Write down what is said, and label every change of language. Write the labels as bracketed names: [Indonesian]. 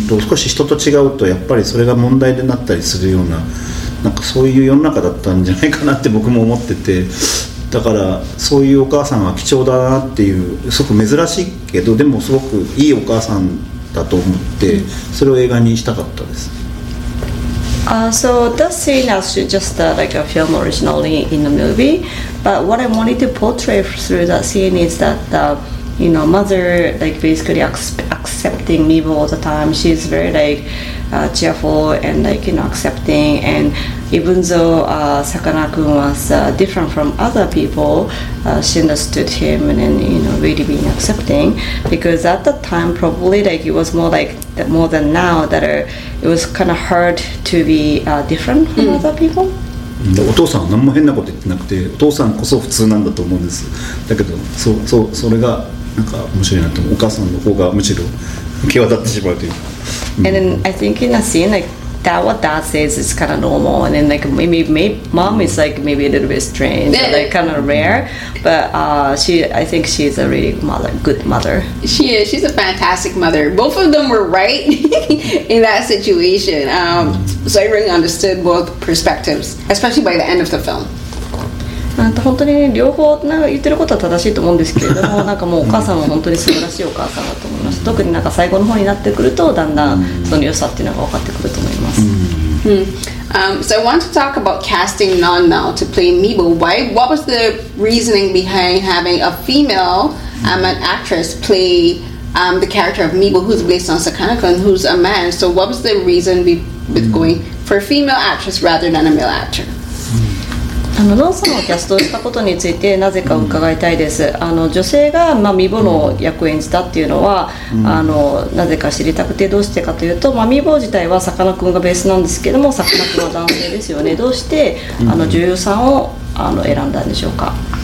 [Japanese] 少し人と違うとやっぱりそれが問題でなったりするような、なんかそういう世の中だったんじゃないかなって僕も思ってて、だからそういうお母さんは貴重だなっていう、すごく珍しいけどでもすごくいいお母さんだと思って、それを映画にしたかったです。 [English] So that scene is just like a film originally in the movie, but what I wanted to portray through that scene is that mother like basically accepting Mibo all the time. She's very like cheerful and like accepting, and even though Sakana-kun was different from other people, she understood him and then really being accepting, because at that time probably like it was more like that, more than now, that it was kind of hard to be different from other people. [Japanese] お父さんは何も変なこと言ってなくて、お父さんこそ普通なんだと思うんです。だけどそれがなんか面白いなと思う。お母さんの方がむしろ際立ってしまうという。 [English] And then I think in a scene like that, what dad says is kind of normal, and then like maybe mom is like maybe a little bit strange, like kind of rare, but I think she's a really good mother. She is. She's a fantastic mother. Both of them were right in that situation. So I really understood both perspectives, especially by the end of the film. [Japanese] 本当に両方言ってることは正しいと思うんですけれども、なんかもうお母さんは本当に素晴らしいお母さんだと思います。特になんか最後の方になってくると、だんだんその良さっていうのが分かってくると思います。 [English] So I want to talk about casting Non now to play Mibo. What was the reasoning behind having a female an actress play the character of Mibo, who's based on Sakana-kun, who's a man? So what was the reason with going for a female actress rather than a male actor? [Japanese] ロンさんはキャストしたことについてなぜか伺いたいです、うん、女性が、まあ、ミボの役を演じたっていうのは、うん、なぜか知りたくて、どうしてかというと、まあ、ミボ自体はさかなクンがベースなんですけども、さかなクンは男性ですよね。どうして女優さんを選んだんでしょうか。